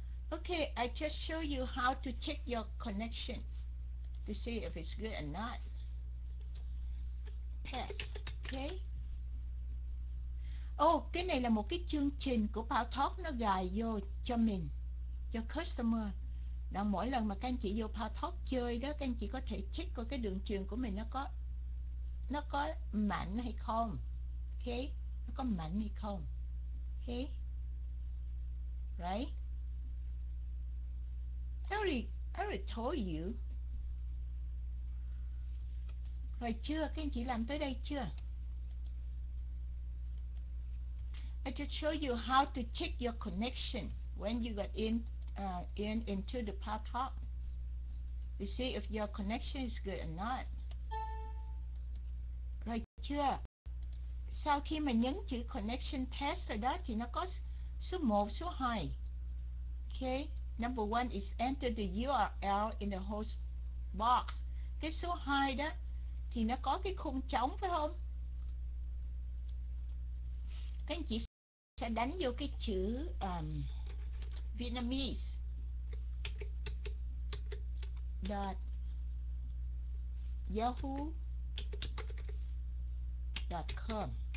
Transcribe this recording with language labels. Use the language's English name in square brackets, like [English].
[English] Okay, I just show you how to check your connection to see if it's good or not. Test, okay. [Vietnamese] Oh, cái này là một cái chương trình của Paltalk nó gài vô cho mình, cho customer. Đó, mỗi lần mà các anh chị vô Paltalk chơi đó, các anh chị có thể check coi cái đường truyền của mình nó có mạnh hay không. Ok, nó có mạnh hay không. Ok, [English] right, I already told you [Vietnamese] rồi chưa, các anh chị làm tới đây chưa? [English] I just show you how to check your connection when you got into the path talk to see if your connection is good or not. [Vietnamese] Rồi chưa? Sau khi mà nhấn chữ connection test rồi đó thì nó có số 1, số 2. [English] Okay, number 1 is enter the URL in the host box. [Vietnamese] Cái số 2 đó thì nó có cái khung trống phải không? Các anh chị sẽ đánh vô cái chữ Vietnamese. [English] Dot Yahoo com.